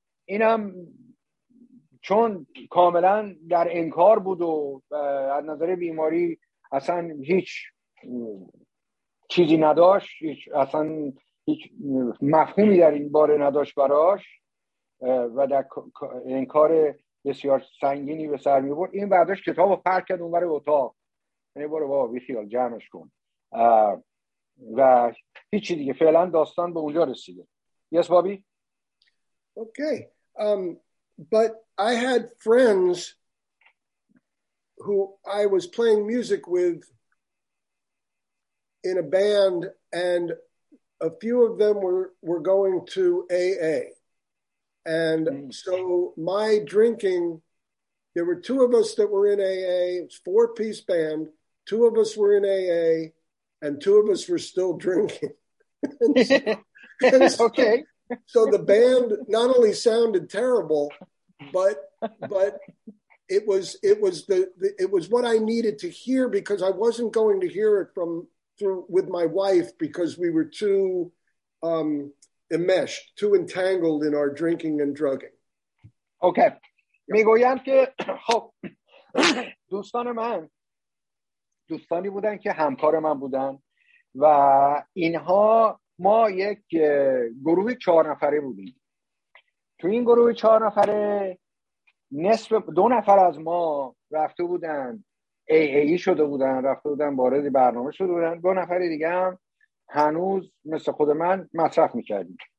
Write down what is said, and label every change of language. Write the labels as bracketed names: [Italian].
[Persian] اینم چون کاملا در انکار بود و از نظر بیماری اصلا هیچ چیزی نداشت، اصلا هیچ مفهومی در این باره نداشت براش، و در انکار بسیار سنگینی به سر می برد، این برداشت کتاب رو پرک کرد اونور اتاق، یعنی برو بابا بی خیال جمعش کن، و هیچی دیگه. فعلا داستان به اونجا رسیده. [English] Yes, Bobby? Okay. But I had friends who I was playing music with in a band, and a few of them were going to AA. And so my drinking, there were two of us that were in AA, it's four-piece band, two of us were in AA, and two of us were still drinking. Okay. So the band not only sounded terrible, but it was what I needed to hear, because I wasn't going to hear it with my wife, because we were too enmeshed, too entangled in our drinking and drugging. Okay. [Persian] میگویم که خب دوستان من دوستانی بودن که همکار من بودن، و اینها ما یک گروه چهار نفره بودیم. تو این گروه چهار نفره نصف دو نفر از ما رفته بودن AA شده بودن، رفته بودن وارد برنامه شده بودن، دو نفر دیگه هم هنوز مثل خود من مصرف میکردیم.